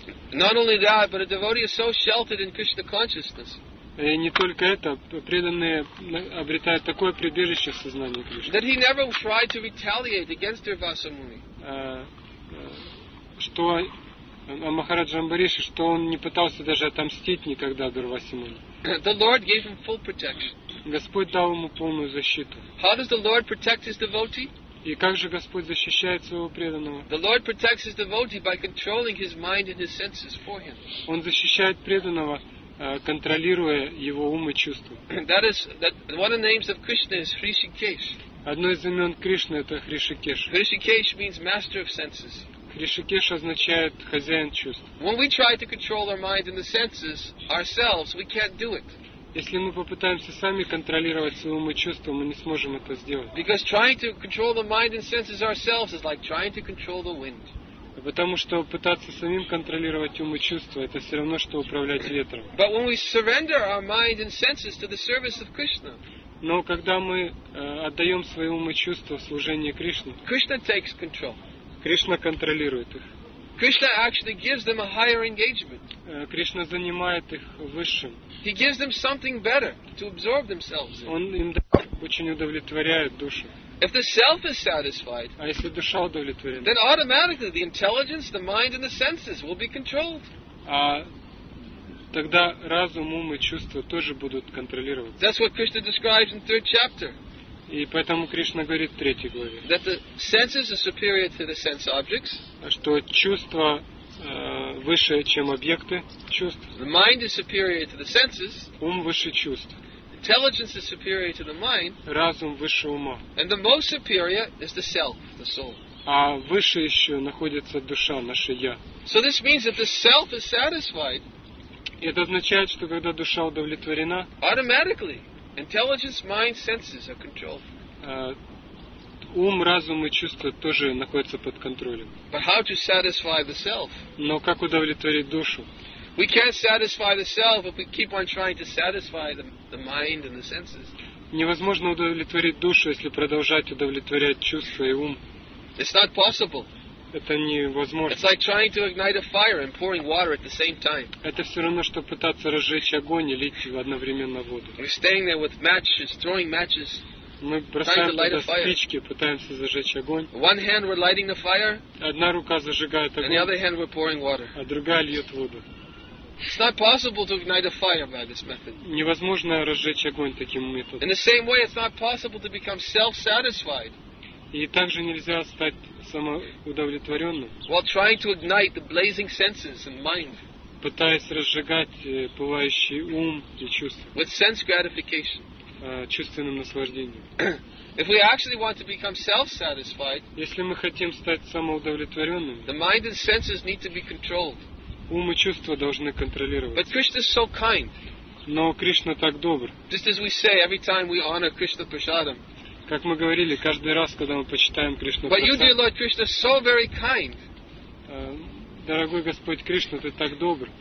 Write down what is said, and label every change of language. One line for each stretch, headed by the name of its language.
English: Not only that, but a devotee is so sheltered in Krishna consciousness.
Russian: И не только это, преданные обретают такое прибежище в сознании Кришны.
English: That he never tried to retaliate against Durvasa Muni.
Russian: Что Махараджа Амбариша, что он не пытался даже отомстить никогда Дурвасе Муни.
English: The Lord gave him full protection.
Russian: Господь дал ему полную защиту.
English: How does the Lord protect his devotee?
Russian: И как же Господь защищает своего преданного?
English: The Lord protects his devotee by controlling his mind and his senses for him.
Russian: Он защищает преданного, контролируя его ум и чувства.
English: That is that one of the names of Krishna is Hrishikesh.
Russian: Одно из имен Кришны это Хришикеш.
English: Hrishikesh means master of senses.
Russian: Хришикеш означает хозяин чувств.
English: When we try to control our mind and the senses ourselves, we can't do it.
Russian: Если мы попытаемся сами контролировать свои умы и чувства, мы не сможем это сделать.
English: Because trying to control the mind and senses ourselves is like trying to control the wind.
Russian: Потому что пытаться самим контролировать умы и чувства, это все равно, что управлять ветром.
English: But when we surrender our mind and senses to the service of Krishna,
Russian: но когда мы отдаем свои умы и чувства в служение Кришне,
English: Krishna takes control.
Russian: Кришна контролирует их.
English: Krishna actually gives them a higher engagement.
Russian: Кришна занимает их высшим.
English: He gives them something better to absorb themselves in.
Russian: Он им очень удовлетворяет душу.
English: If the self is satisfied,
Russian: а если душа удовлетворена,
English: then automatically the intelligence, the mind and the senses will be controlled.
Russian: А тогда разум, ум и чувства тоже будут контролироваться.
English: That's what Krishna describes in the third chapter.
Russian: И поэтому Кришна говорит в третьей главе,
English: that the senses are superior to the sense objects,
Russian: что чувства выше, чем объекты чувств.
English: The mind is superior to the senses.
Russian: Ум выше чувств.
English: Intelligence is superior to the mind.
Russian: Разум выше ума.
English: And the most superior is the self, the soul.
Russian: А выше еще находится душа, наше я.
English: So this means that the self is satisfied.
Russian: И это означает, что когда душа удовлетворена,
English: automatically intelligence, mind, senses are controlled.
Russian: Ум, разум и чувства тоже находятся под контролем.
English: But how to satisfy the self?
Russian: Но как удовлетворить душу?
English: We can't satisfy the self if we keep on trying to satisfy the mind and the senses.
Russian: Невозможно удовлетворить душу, если продолжать удовлетворять чувства и ум.
English: It's not possible.
Russian: Это невозможно.
English: It's like trying to ignite a fire and pouring water at the same time.
Russian: Это все равно, что пытаться разжечь огонь и лить одновременно воду.
English: We're staying there with matches, throwing matches.
Russian: Мы бросаем туда спички, пытаемся зажечь огонь.
English: One hand we're lighting the fire.
Russian: Одна рука зажигает огонь.
English: And the other hand we're pouring water.
Russian: А другая льет воду.
English: It's not possible to ignite a fire by this method.
Russian: Невозможно разжечь огонь таким методом.
English: In the same way, it's not possible to become self-satisfied.
Russian: И также нельзя стать самоудовлетворенным.
English: While trying to ignite the blazing senses and mind.
Russian: Пытаясь разжигать пылающий ум и чувства.
English: With sense gratification.
Russian: Чувственным наслаждением.
English: If we actually want to become self-satisfied.
Russian: Если мы хотим стать самоудовлетворенным.
English: The mind and senses need to be controlled.
Russian: Ум и чувства должны контролировать.
English: But Krishna is so kind.
Russian: Но Кришна так добр.
English: Just as we say every time we honor Krishna Prasadam.
Russian: Как мы говорили каждый раз, когда мы почитаем Кришну
English: Прасад. But you, dear Lord Krishna, so very kind.
Russian: Дорогой Господь Кришна, ты так добр.